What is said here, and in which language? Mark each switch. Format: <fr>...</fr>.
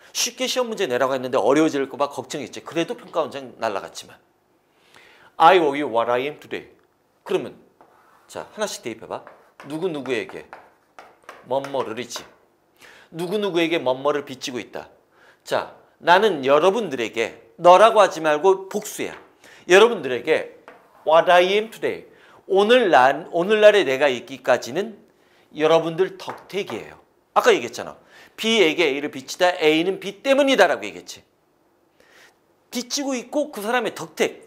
<ko>쉽게 시험 문제 내라고 했는데 어려워질까 봐 걱정했지. 그래도 평가 문장 날라갔지만.</ko> <en>I owe you what I am today.</en> <ko>그러면 자 하나씩 대입해봐. 누구누구에게 뭐뭐를이지. 누구누구에게 뭐뭐를 비치고 있다. 자 나는 여러분들에게 너라고 하지 말고 복수야. 여러분들에게</ko> <en>what I am today.</en> <ko>오늘날에 내가 있기까지는 여러분들 덕택이에요. 아까 얘기했잖아. B에게 A를 비치다. A는 B 때문이다 라고 얘기했지. 비치고 있고 그 사람의 덕택.</ko>